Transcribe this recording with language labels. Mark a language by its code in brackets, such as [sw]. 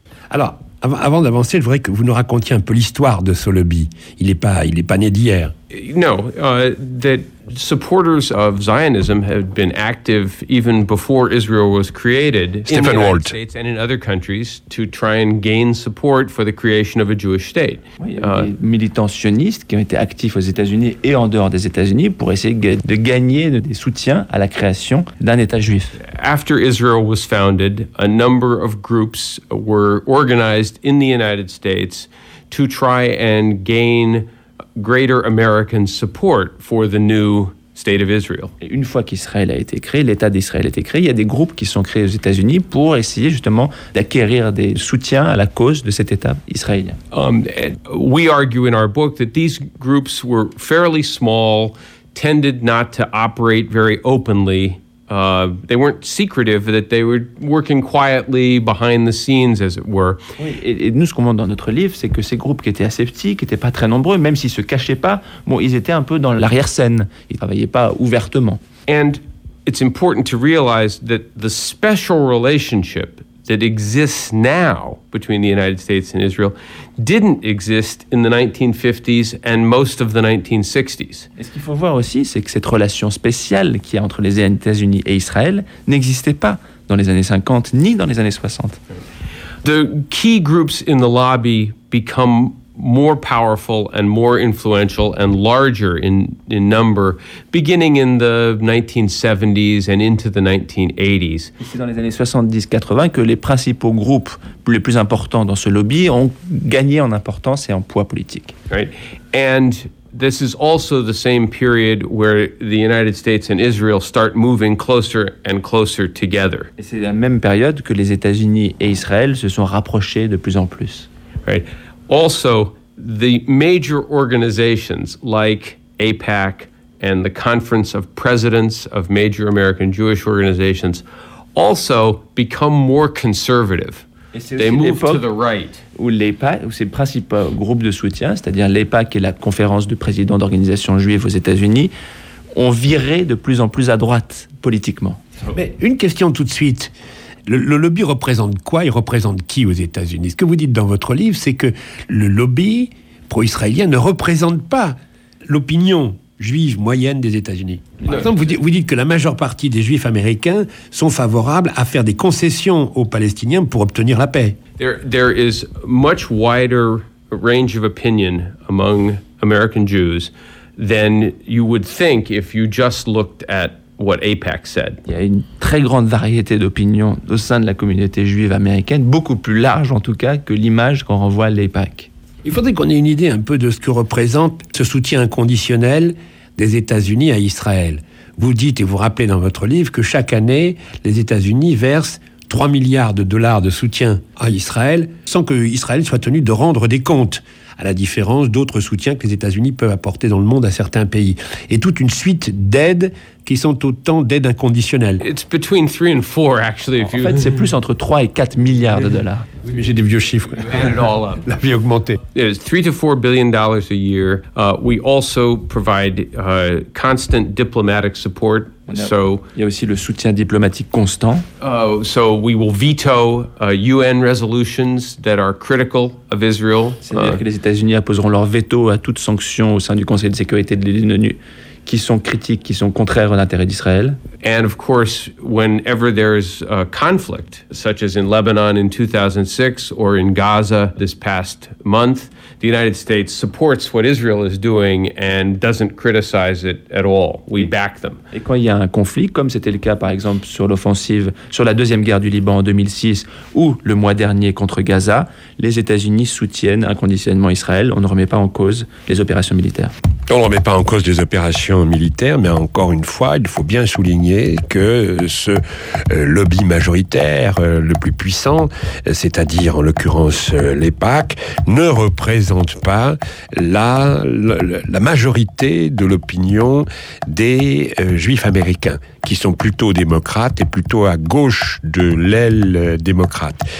[fr] Alors, avant d'avancer, je voudrais que vous nous racontiez un peu l'histoire de ce lobby. Il n'est pas né d'hier. [en] No, that supporters of Zionism had been active even before Israel was created. Stephen Walt. In the United States and in other countries to try and gain support for the creation of a Jewish state. [fr] Des militants sionistes qui ont été actifs aux États-Unis et en dehors des États-Unis pour essayer de gagner des soutiens à la création d'un État juif. [en] After Israel was founded, a number of groups were organized in the United States to try and gain greater American support for the new state of Israel. [fr] Et une fois qu'Israël a été créé, l'État d'Israël a été créé, il y a des groupes qui sont créés aux États-Unis pour essayer justement d'acquérir des soutiens à la cause de cet État israélien. [en] We argue in our book that these groups were fairly small, tended not to operate very openly. They weren't secretive, that they were working quietly behind the scenes, as it were. [fr] Oui, et nous, ce qu'on montre dans notre livre, c'est que ces groupes qui étaient assez petits, qui n'étaient pas très nombreux, même s'ils ne se cachaient pas, bon, ils étaient un peu dans l'arrière-scène. Ils ne travaillaient pas ouvertement. [en] And it's important to realize that the special relationship that exists now between the United States and Israel didn't exist in the 1950s and most of the 1960s. [fr] Et ce qu'il faut voir aussi, c'est que cette relation spéciale qu'il y a entre les États-Unis et Israël n'existait pas dans les années 50 ni dans les années 60. [en] The key groups in the lobby become more powerful and more influential and larger in number, beginning in the 1970s and into the 1980s. [fr] C'est dans les années 70-80 que les principaux groupes les plus importants dans ce lobby ont gagné en importance et en poids politique. [en] Right. And this is also the same period where the United States and Israel start moving closer and closer together. [fr] Et c'est la même période que les États-Unis et Israël se sont rapprochés de plus en plus. [en] Right. Also, the major organizations like AIPAC and the Conference of Presidents of Major American Jewish Organizations also become more conservative. They move to the right. [fr] Où l'AIPAC, où ses principaux groupes de soutien, c'est-à-dire l'AIPAC et la Conférence du Président d'Organisation Juive aux États-Unis, ont viré de plus en plus à droite politiquement. Mais une question tout de suite. Le lobby représente quoi? Il représente qui aux États-Unis? Ce que vous dites dans votre livre, c'est que le lobby pro-israélien ne représente pas l'opinion juive moyenne des États-Unis. Par exemple, vous dites que la majeure partie des juifs américains sont favorables à faire des concessions aux Palestiniens pour obtenir la paix. There is much wider range of opinion among American Jews than you would think if you just looked at what AIPAC said. Il y a une très grande variété d'opinions au sein de la communauté juive américaine, beaucoup plus large en tout cas que l'image qu'on renvoie à l'AIPAC. Il faudrait qu'on ait une idée un peu de ce que représente ce soutien inconditionnel des États-Unis à Israël. Vous dites et vous rappelez dans votre livre que chaque année, les États-Unis versent 3 milliards de dollars de soutien à Israël sans que Israël soit tenu de rendre des comptes, à la différence d'autres soutiens que les États-Unis peuvent apporter dans le monde à certains pays. Et toute une suite d'aides qui sont autant d'aides inconditionnelles. [en] It's between 3 and 4, actually. [fr] En fait, c'est plus entre 3 et 4 milliards de dollars. Oui, mais j'ai des vieux chiffres. La vie a augmenté. [en] It's 3 to 4 billion dollars a year. We also provide constant diplomatic support. [fr] Il y a aussi le soutien diplomatique constant. [en] So we will veto UN resolutions that are critical of Israel. [fr] C'est-à-dire que les États-Unis apposeront leur veto à toute sanction au sein du Conseil de sécurité de l'ONU qui sont critiques, qui sont contraires à l'intérêt d'Israël. [en] And of course, whenever there is a conflict, such as in Lebanon in 2006 or in Gaza this past month, the United States supports what Israel is doing and doesn't criticize it at all. We back them. [fr] Et quand il y a un conflit, comme c'était le cas par exemple sur l'offensive, sur la deuxième guerre du Liban en 2006 ou le mois dernier contre Gaza, les États-Unis soutiennent inconditionnellement Israël. On ne remet pas en cause les opérations militaires. On ne remet pas en cause des opérations militaires, mais encore une fois, il faut bien souligner que ce lobby majoritaire le plus puissant, c'est-à-dire en l'occurrence l'AIPAC, ne représente pas la majorité de l'opinion des juifs américains, qui sont plutôt démocrates et plutôt à gauche de l'aile démocrate.